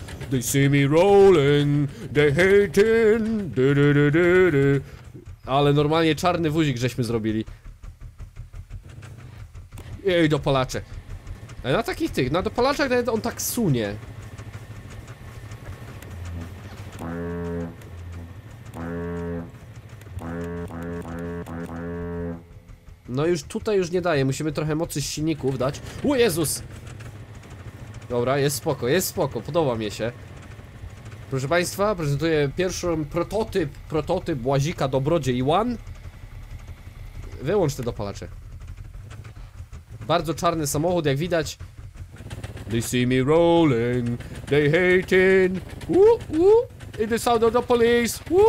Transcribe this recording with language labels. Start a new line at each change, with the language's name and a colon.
English: They see me rolling, they hating, du-du-du-du-du.
Polish: Ale normalnie czarny wózik żeśmy zrobili. Ej, dopalacze. Na takich tych, na dopalaczach nawet on tak sunie. No już tutaj już nie daje, musimy trochę mocy z silników dać. O Jezus! Dobra, jest spoko, podoba mi się. Proszę Państwa, prezentuję pierwszy prototyp łazika dobrodziej One. Wyłącz te dopalacze. Bardzo czarny samochód, jak widać.
English: They see me rolling, they hating. In the sound of the police.